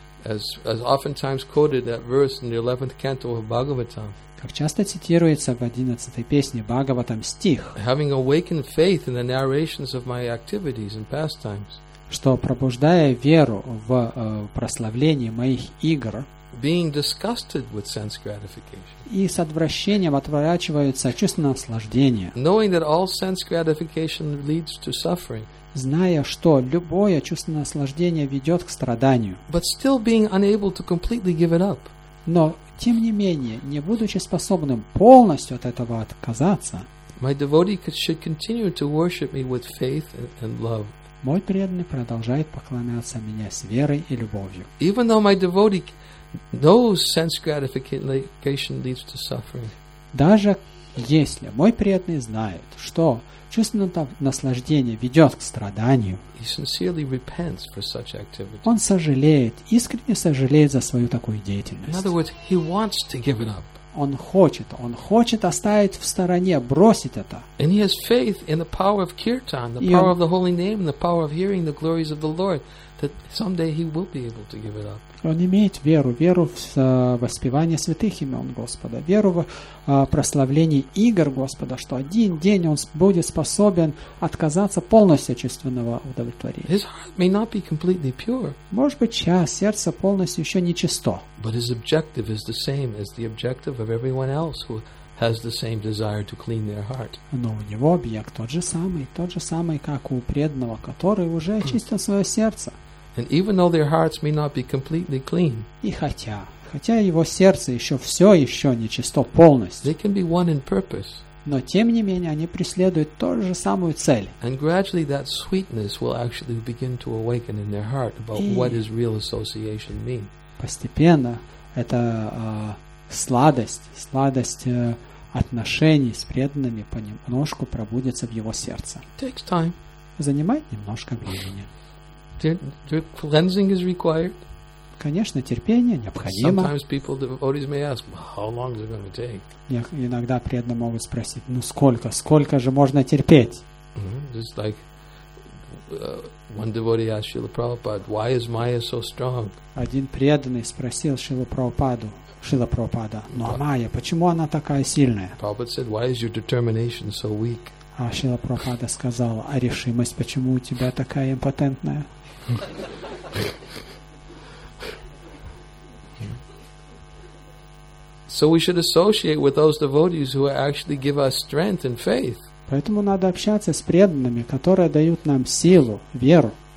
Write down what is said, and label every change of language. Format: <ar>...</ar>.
<en>As oftentimes quoted that verse in the 11th canto of Bhagavatam.</en> <ru>Как часто цитируется в 11-й песне Бхагаватам стих.</ru> <en>Having awakened faith in the narrations of my activities and pastimes.</en> <ru>Что пробуждая веру в прославление моих игр,</ru> <en>being disgusted with sense gratification,</en> <ru>и с отвращением отворачиваются чувственное наслаждение,</ru> <en>knowing that all sense gratification leads to suffering,</en> <ru>зная, что любое чувственное наслаждение ведет к страданию.</ru> <en>But still being unable to completely give it up.</en> <ru>Но, тем не менее, не будучи способным полностью от этого отказаться,</ru> <en>my devotee should continue to worship me with faith and love.</en> <ru>Мой преданный продолжает поклоняться меня с верой и любовью.</ru> <en>Even though my devotee knows sense gratification leads to suffering.</en> <ru>Даже если мой преданный знает, что чувственное наслаждение ведет к страданию,</ru> <en>he sincerely repents for such activity.</en> <ru>Он сожалеет, искренне сожалеет за свою такую деятельность.</ru> <en>In other words, he wants to give it up.</en> <ru>Он хочет оставить в стороне, бросить это.</ru> <en>And he has faith in the power of kirtan, the power of the holy name, the power of hearing the glories of the Lord, that someday he will be able to give it up.</en> <ru>Он имеет веру, веру в воспевание святых имен Господа, веру в прославление игр Господа, что один день он будет способен отказаться полностью от чувственного удовлетворения.</ru> <en>His heart may not be completely pure.</en> <ru>Может быть, сейчас сердце полностью еще не чисто.</ru> <en>But his objective is the same as the objective of everyone else who has the same desire to clean their heart.</en> <ru>Но у него объект тот же самый, как у преданного, который уже очистил свое сердце.</ru> <en>And even though their hearts may not be completely clean,</en> <ru>и хотя его сердце еще все еще не чисто полностью,</ru> <en>they can be one in purpose.</en> <ru>Но тем не менее они преследуют ту же самую цель.</ru> <en>And gradually that sweetness will actually begin to awaken in their heart about what does real association mean.</en> <ru>Постепенно это сладость отношений с преданными понемножку пробудится в его сердце.</ru> <en>Takes time.</en> <ru>Занимает немножко времени.</ru> <en>Cleansing is required.</en> <ru>Конечно, терпение необходимо.</ru> <en>Sometimes people, devotees may ask, how long is it going to take?</en> <ru>Иногда преданные могут спросить, ну сколько же можно терпеть?</ru> <en>Just like one devotee asked Srila Prabhupada, why is Maya so strong?</en> <ru>Один преданный спросил Шрила Прабхупада, ну а Майя, почему она такая сильная?</ru> <en>Prabhupada said, why is your determination so weak?</en> <ru>А Шрила Прабхупада сказал, а решимость почему у тебя такая импотентная?</ru> <en>So we should associate with those devotees who actually give us strength and faith.</en> <ru>Поэтому надо общаться с преданными, которые дают нам силу, веру.</ru>